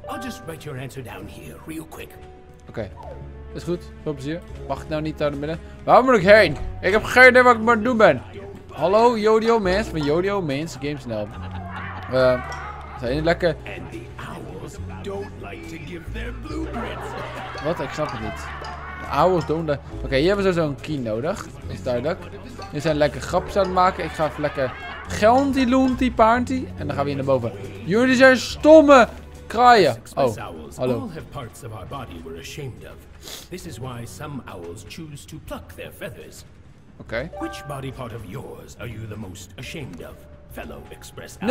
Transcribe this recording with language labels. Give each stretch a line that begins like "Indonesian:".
English: I'll just write your answer down here, real quick.
Dutch: Oké. Is goed. Veel plezier. Wacht nou niet daar naar binnen. Waar moet ik heen? Ik heb geen idee wat ik maar aan het doen ben. Hallo, Yodio Mans van Yodio Mans GameSnel. Zijn jullie lekker?
English: And the owls don't like to give their blueprints.
Dutch: Wat? Ik snap het niet. De
English: owls don't like...
Dutch: Oké, hier hebben ze zo'n key nodig. Is duidelijk. We zijn lekker grapjes aan het maken. Ik ga even lekker... Gelntie, loontie, paantie. En dan gaan we hier naar boven. Jullie zijn stomme kraaien. Oh, hallo.
English: All have parts of our body we're ashamed of. This is why some owls choose to pluck their feathers. Okay. Which body part of yours are you the most ashamed of, fellow express owl?